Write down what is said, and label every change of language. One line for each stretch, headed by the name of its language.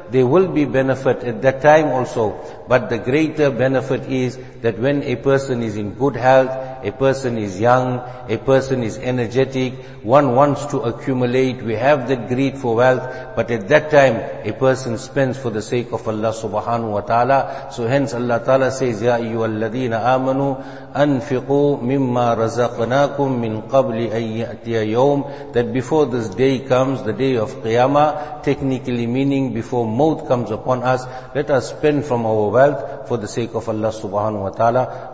English: There will be benefit at that time also, but the greater benefit is that when a person is in good health, a person is young, a person is energetic, one wants to accumulate, we have that greed for wealth, but at that time a person spends for the sake of Allah subhanahu wa ta'ala. So hence Allah ta'ala says,
Arabic: يَا أَيُّهَا الَّذِينَ آمَنُوا أنفقوا مما رزقناكم من قبل أن يأتي يوم.
English: That before this day comes, the day of Qiyamah, technically meaning before mouth comes upon us, let us spend from our wealth for the sake of Allah subhanahu wa ta'ala.